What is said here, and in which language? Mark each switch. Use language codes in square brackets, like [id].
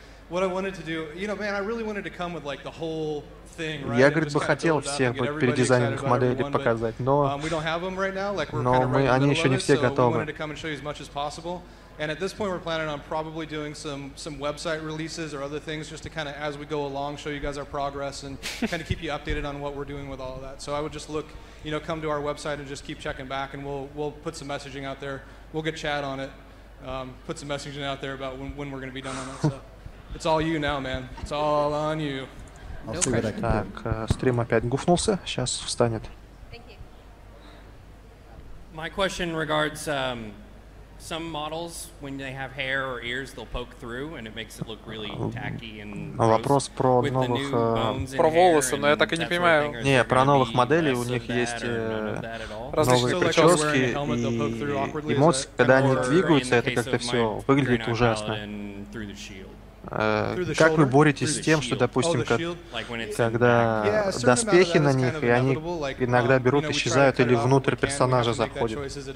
[en] What I wanted to do, you know, man, I really wanted to come with like the whole thing, right? [ru] Я, говорит, бы хотел всех бы передизайненных моделей показать, но [en] we don't have them right now, like we're kind of running low. [ru] Но они ещё не все готовы. [en] We wanted to come and show you as much as possible. And at this point we're planning on probably doing some website releases or other things just to kind of as we go along show you guys our progress and kind of keep you updated on what we're doing with all of that. So I would just look, you know, come to our website and just keep checking back and we'll put some messaging out there. We'll get chat on it. Put some messaging out there about when we're going to be done on that stuff. It's all you now, man. It's all on you. [ru] Так, стрим опять гуфнулся. Сейчас встанет. [en] Thank you. My question regards some models when they have hair or ears, they'll poke through and it makes it look really tacky and. [ru] Вопрос про новых. Про волосы, но я так и не понимаю. Не, про новых моделей у них есть новые прически и эмоции, когда они двигаются, это как-то все выглядит ужасно. Как вы боретесь с тем, что, допустим, когда доспехи на них, и они иногда берут, исчезают или внутрь персонажа заходят?